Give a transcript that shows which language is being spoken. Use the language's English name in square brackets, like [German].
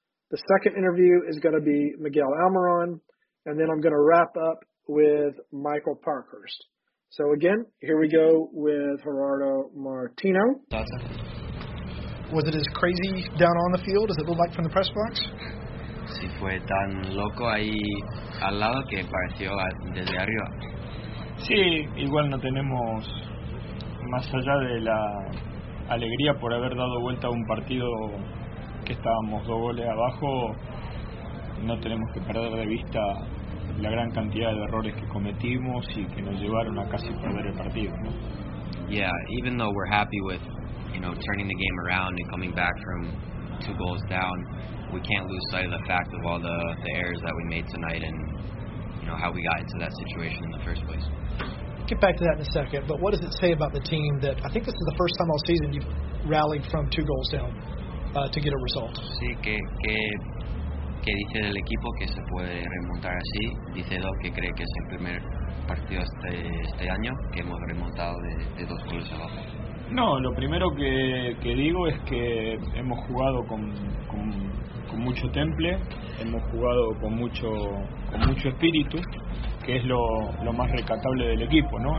[English] The second interview is going to be Miguel Almiron. And then I'm going to wrap up with Michael Parkhurst. So, again, here we go with Gerardo Martino. Was it as crazy down on the field as it looked like from the press box? [Spanish] Sí, fue tan loco ahí al lado que pareció desde arriba. Sí, igual no tenemos más allá de la alegría por haber dado vuelta a un partido que estábamos dos goles abajo. No tenemos que perder de vista la gran cantidad de errores que cometimos y que nos llevaron a casi perder el partido, ¿no? [English] Yeah, even though we're happy with, you know, turning the game around and coming back from two goals down, we can't lose sight of the fact of all the errors that we made tonight and, you know, how we got into that situation in the first place. Get back to that in a second, but what does it say about the team that I think this is the first time all season you've rallied from two goals down to get a result? [Spanish] Sí, que dice del equipo que se puede remontar así. Dice lo que cree que es el primer partido este año que hemos remontado de dos goles abajo. No, lo primero que digo es que hemos jugado con mucho temple, hemos jugado con mucho espíritu, que es lo más rescatable del equipo, ¿no?